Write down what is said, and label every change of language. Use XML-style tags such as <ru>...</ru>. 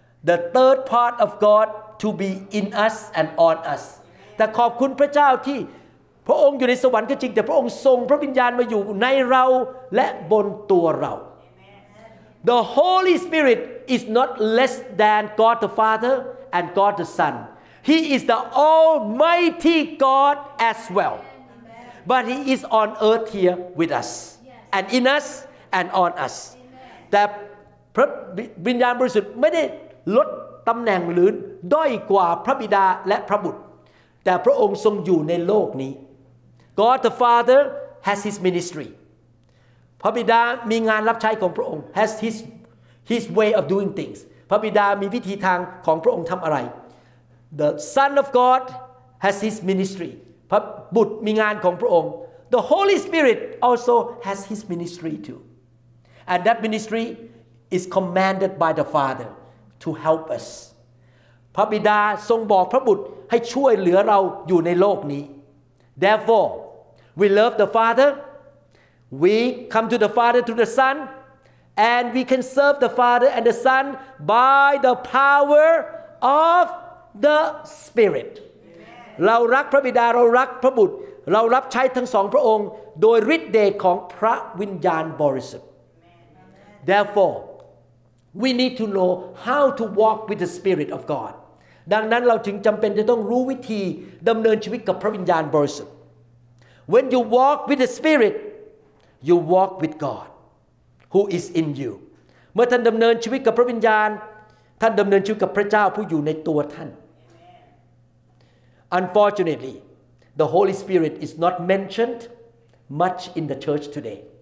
<en>the third part of God to be in us and on us</en> <th>แต่ขอบคุณพระเจ้าที่พระองค์อยู่ในสวรรค์ก็จริงแต่พระองค์ส่งพระวิญญาณมาอยู่ในเราและบนตัวเรา</th> <en>The Holy Spirit is not less than God the Father and God the SonHe is the Almighty God as well. But He is on earth here with us. And in us and on us.</en> <th>แต่พระวิญญาณบริสุทธิ์ไม่ได้ลดตำแหน่งหรือด้อยกว่าพระบิดาและพระบุตรแต่พระองค์ทรงอยู่ในโลกนี้</th> <en>God the Father has His ministry.</en> <th>พระบิดามีงานรับใช้ของพระองค์</th> <en>has His way of doing things.</en> <th>พระบิดามีวิธีทางของพระองค์ทำอะไร</th> <en>The Son of God has His ministry.</en> <th>พระบุตรมีงานของพระองค์</th> <en>The Holy Spirit also has His ministry too. And that ministry is commanded by the Father to help us.</en> <th>พระบิดาทรงบอกพระบุตรให้ช่วยเหลือเราอยู่ในโลกนี้</th> <en>Therefore, we love the Father. We come to the Father through the Son. And we can serve the Father and the Son by the power ofThe Spirit. Amen.</en> <th>เรารักพระบิดาเรารักพระบุตรเรารับใช้ทั้งสองพระองค์โดยฤทธิ์เดชของพระวิญญาณบริสุทธิ์</th> <en>Therefore, we need to know how to walk with the Spirit of God.</en> <th>ดังนั้นเราถึงจำเป็นจะต้องรู้วิธีดำเนินชีวิตกับพระวิญญาณบริสุทธิ์</th> <en>When you walk with the Spirit, you walk with God, who is in you.</en> <th>เมื่อท่านดำเนินชีวิตกับพระวิญญาณท่านดำเนินชีวิตกับพระเจ้าผู้อยู่ในตัวท่าน</th> <en>Unfortunately, the Holy Spirit is not mentioned much in the church today.</en>